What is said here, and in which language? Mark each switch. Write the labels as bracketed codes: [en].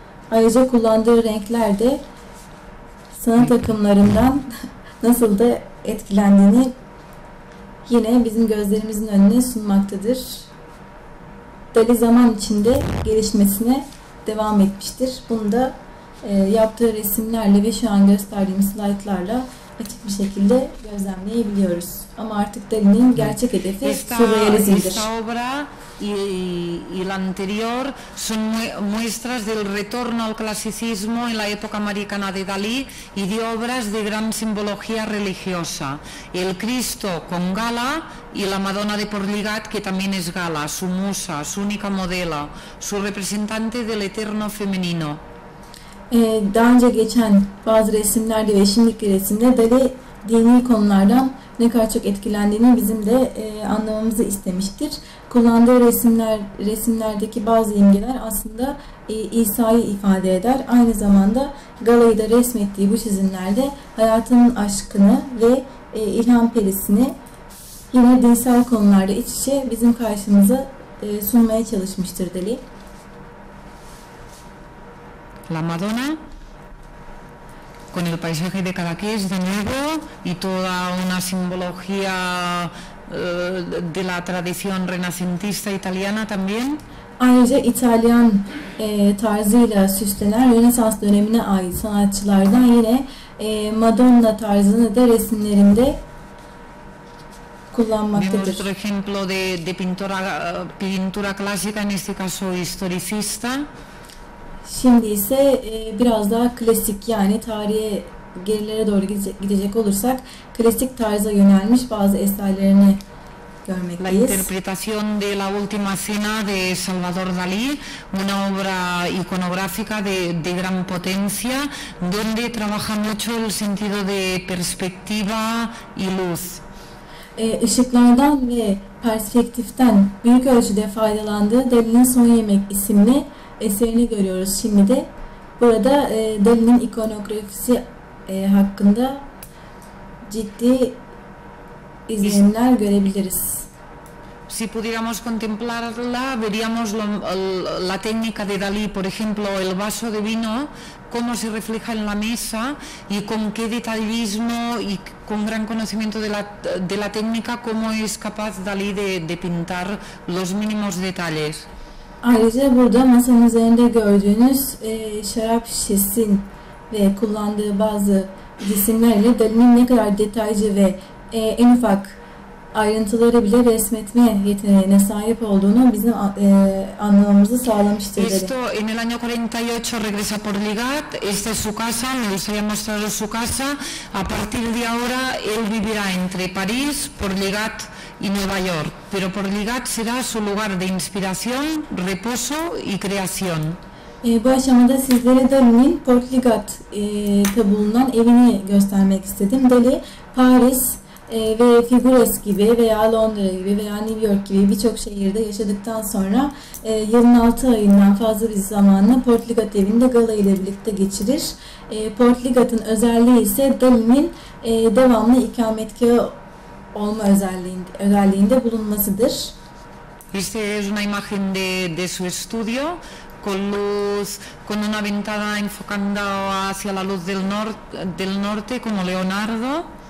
[tr] Ayrıca kullandığı renkler de sanat akımlarından nasıl da etkilendiğini yine bizim gözlerimizin önüne sunmaktadır. Dali zaman içinde gelişmesine devam etmiştir. Bunu da yaptığı resimlerle ve şu an gösterdiğimiz slaytlarla açık bir şekilde gözlemleyebiliyoruz. Ama artık Dali'nin gerçek hedefi surrealizmdir. [es] Esta obra y la anterior son muestras del retorno al clasicismo en la época americana de Dalí y de obras de gran simbología religiosa. El Cristo con gala y la Madonna de Portlligat, que también es gala, su musa, su única modelo, su representante del eterno femenino. [tr] Daha önce geçen bazı resimlerde ve şimdiki resimde Dali dini konulardan ne kadar çok etkilendiğini bizim de anlamamızı istemiştir. Kullandığı resimlerdeki bazı imgeler aslında İsa'yı ifade eder. Aynı zamanda Gala'yı da resmettiği bu çizimlerde hayatının aşkını ve ilham perisini yine dinsel konularda iç içe bizim karşımıza sunmaya çalışmıştır Dali. [es] La Madonna, con el paisaje de Cadaqués de nuevo y toda una simbología de la tradición renacentista italiana también. [tr] Ayrıca İtalyan tarzıyla süslenen Rönesans dönemine ait sanatçılardan yine Madonna tarzını da resimlerinde kullanmaktadır. [es] Vemos otro ejemplo de pintura clásica, en este caso historicista. [tr] Şimdi ise biraz daha klasik, yani tarihe gerilere doğru gidecek olursak klasik tarza yönelmiş bazı eserlerini görmekteyiz. [es] La interpretación de la última cena de Salvador Dalí, una obra iconográfica de gran potencia, donde trabaja mucho el sentido de perspectiva y luz. [tr] Işıklardan ve perspektiften büyük ölçüde faydalandığı Dalí'nin Son Yemek isimli eserini görüyoruz şimdi de. Burada Dali'nin ikonografisi hakkında ciddi izlenimler görebiliriz. [es] Si pudiéramos contemplarla, veríamos la técnica de Dalí, por ejemplo, el vaso de vino, cómo se refleja en la mesa y con qué detallismo y con gran conocimiento de la técnica, cómo es capaz Dalí de pintar los mínimos detalles. [tr] Ayrıca burada masanın üzerinde gördüğünüz şarap şişesinin ve kullandığı bazı cisimlerle Dali'nin ne kadar detaycı ve en ufak ayrıntıları bile resmetme yeteneğine sahip olduğunu bizim anlamamızı sağlamıştır dedi. [es] Esto en el año 48 regresa por Ligat. Esta es su casa, nos había mostrado su casa. A partir de ahora él vivirá entre París, por Ligat y Nueva York, pero por Ligat será su lugar de inspiración, reposo y creación. [tr] Bu aşamada sizlere Dali'nin Port Ligat bulunan evini göstermek istedim. Dali, Paris ve Figueres gibi veya Londra gibi veya New York gibi birçok şehirde yaşadıktan sonra yılın 6 ayından fazla bir zamanını Port Ligat evinde Gala ile birlikte geçirir. Port Ligat'ın özelliği ise Dali'nin devamlı ikametgahı olma özelliğinde bulunmasıdır. İşte [es] es una imagen de su estudio con luz, con una ventana enfocando hacia la luz del norte como Leonardo.